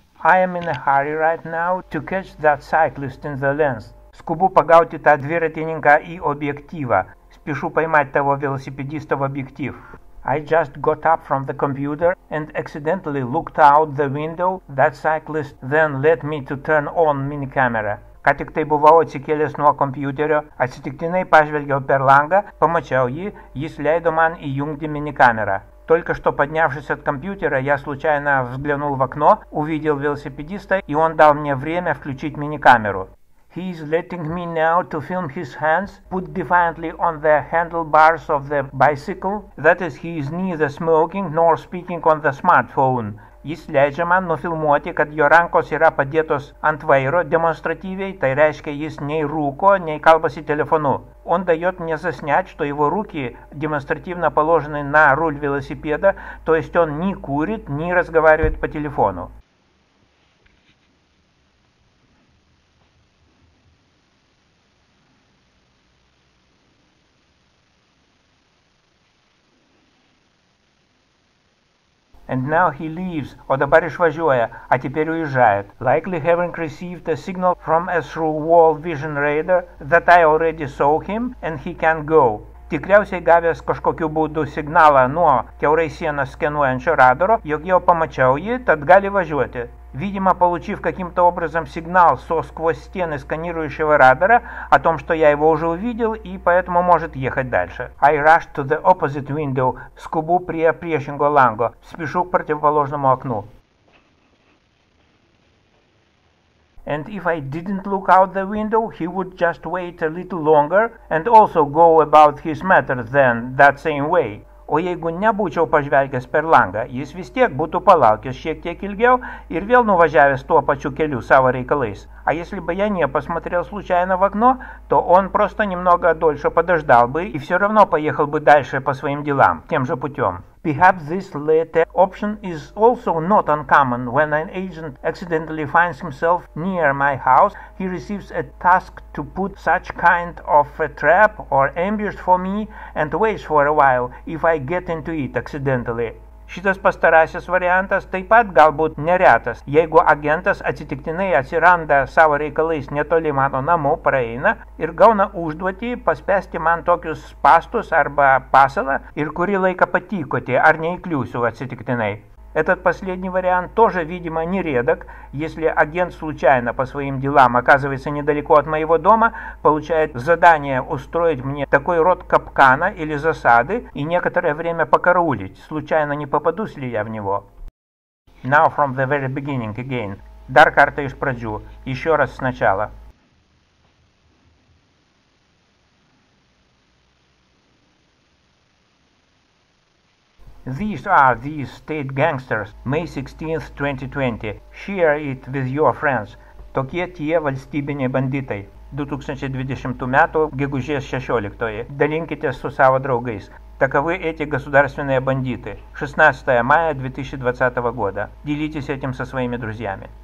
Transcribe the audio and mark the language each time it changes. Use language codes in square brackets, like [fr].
[en] I am in a hurry right now to catch that cyclist in the lens. [lt] Skubu pagauti tą dviratininką į objektyvą. Spėšu paimti tavo velosipedisto objektyv. [en] I just got up from the computer and accidentally looked out the window. That cyclist then led me to turn on mini camera. [lt] Ką tik tai buvau atsikėlęs nuo kompiuterio, atsitiktinai pažvelgiau per langą, pamačiau jį, jis leido man įjungti mini kamerą. [ru] Только что поднявшись от компьютера, я случайно взглянул в окно, увидел велосипедиста, и он дал мне время включить мини-камеру. [en] He is letting me now to film his hands, put defiantly on the handlebars of the bicycle. That is, he is neither smoking nor speaking on the smartphone. [lt] Jis leidžia man nufilmuoti, kad jo rankos yra padėtos ant vairo demonstratyviai, tai reiškia, jis nei rūko, nei kalbasi telefonu. [ru] Он дает мне заснять, что его руки демонстративно положены на руль велосипеда, то есть он не курит, не разговаривает по телефону. [en] And now he leaves, [lt] o dabar išvažiuoja, [ru] а теперь уезжает. [en] Likely having received a signal from a through wall vision radar that I already saw him and he can go. [lt] Tikriausiai gavęs kažkokiu būdu signalą nuo kiaurai sieną skenuojančio radaro, jog jau pamačiau jį, tad gali važiuoti. [ru] Видимо, получив каким-то образом сигнал со сквозь стены сканирующего радара о том, что я его уже увидел и поэтому может ехать дальше. [en] I rush to the opposite window, [lt] скубу при опрещенго ланго, [ru] спешу к противоположному окну. [en] And if I didn't look out the window, he would just wait a little longer and also go about his matter then that same way. [lt] O jeigu nebūčiau pažvelgęs per langą, jis vis tiek būtų palaukęs šiek tiek ilgiau ir vėl nuvažiavęs tuo pačiu keliu savo reikalais. [ru] А если бы я не посмотрел случайно в окно, то он просто немного дольше подождал бы и все равно поехал бы дальше по своим делам, тем же путем. [en] Perhaps this latter option is also not uncommon when an agent accidentally finds himself near my house. He receives a task to put such kind of a trap or ambush for me and waits for a while if I get into it accidentally. [lt] Šitas pastarasis variantas taip pat galbūt neretas. Jeigu agentas atsitiktinai atsiranda savo reikalais netoli mano namų, praeina ir gauna užduotį paspęsti man tokius spastus arba pasalą ir kurį laiką patykoti, ar neįkliūsiu atsitiktinai. [ru] Этот последний вариант тоже, видимо, нередок, если агент случайно по своим делам оказывается недалеко от моего дома, получает задание устроить мне такой род капкана или засады и некоторое время покараулить, случайно не попадусь ли я в него. [en] Now from the very beginning again. [lt] Дар карта из праджу. [ru] Еще раз сначала. [en] These are these state gangsters, May 16th, 2020. Share it with your friends. [lt] Tokie tie valstybiniai banditai. 2020 metų, gegužės 16-oji. Dalinkitės su savo draugais. [ru] Таковы эти государственные бандиты. 16 мая 2020 года. Делитесь этим со своими друзьями.